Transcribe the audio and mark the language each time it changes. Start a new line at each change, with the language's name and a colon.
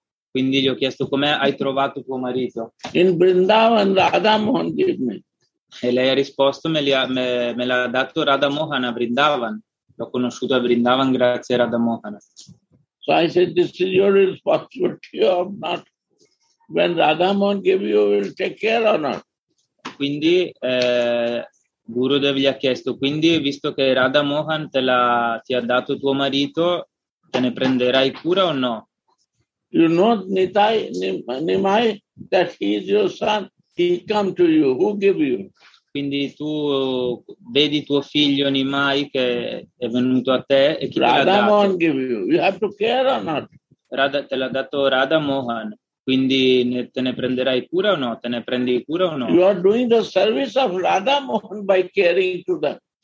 Italian: Quindi gli ho chiesto come hai trovato tuo marito.
English: In Vrindavan, Radha Mohan gave me.
Italian: E lei ha risposto, me l'ha dato Radha Mohan a Vrindavan. L'ho conosciuto a Vrindavan grazie a Radha Mohan.
English: So I said, this is your responsibility or not? When Radha Mohan gave you, will take care or not?
Italian: Quindi... Gurudev gli ha chiesto, quindi visto che Radha Mohan ti ha dato tuo marito, te ne prenderai cura o no?
English: You know Nitai, Nimai, that he is your son, he come to you, who give you?
Italian: Quindi tu vedi tuo figlio Nimai che è venuto a te e chi
English: Radha
Italian: te l'ha dato?
English: Mohan give you, you have to care or not?
Italian: Te l'ha dato Radha Mohan. Quindi te ne prenderai cura o no? Te ne prendi cura o no?
English: You are doing the service of Radha Mohan by caring to them.